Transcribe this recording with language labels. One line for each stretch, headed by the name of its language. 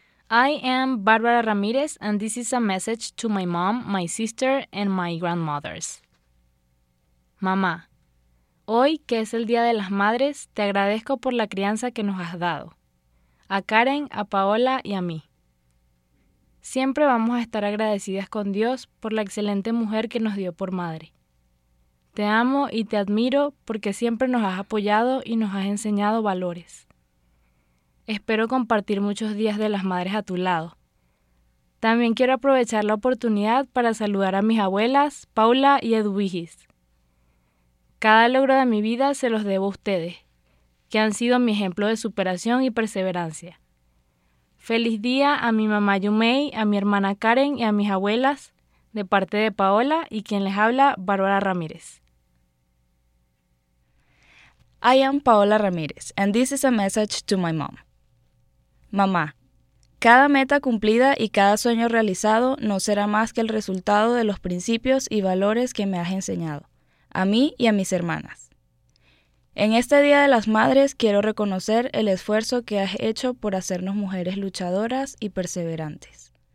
English: I am Barbara Ramirez, and this is a message to my mom, my sister, and my grandmothers.
Spanish: Mamá, hoy que es el Día de las Madres, te agradezco por la crianza que nos has dado. A Karen, a Paola y a mí. Siempre vamos a estar agradecidas con Dios por la excelente mujer que nos dio por madre. Te amo y te admiro porque siempre nos has apoyado y nos has enseñado valores. Espero compartir muchos días de las madres a tu lado. También quiero aprovechar la oportunidad para saludar a mis abuelas, Paula y Edwigis. Cada logro de mi vida se los debo a ustedes, que han sido mi ejemplo de superación y perseverancia. Feliz día a mi mamá Yumei, a mi hermana Karen y a mis abuelas, de parte de Paola y quien les habla, Bárbara Ramírez.
English: I am Paola Ramírez, and this is a message to my mom.
Spanish: Mamá, cada meta cumplida y cada sueño realizado no será más que el resultado de los principios y valores que me has enseñado, a mí y a mis hermanas. En este Día de las Madres quiero reconocer el esfuerzo que has hecho por hacernos mujeres luchadoras y perseverantes.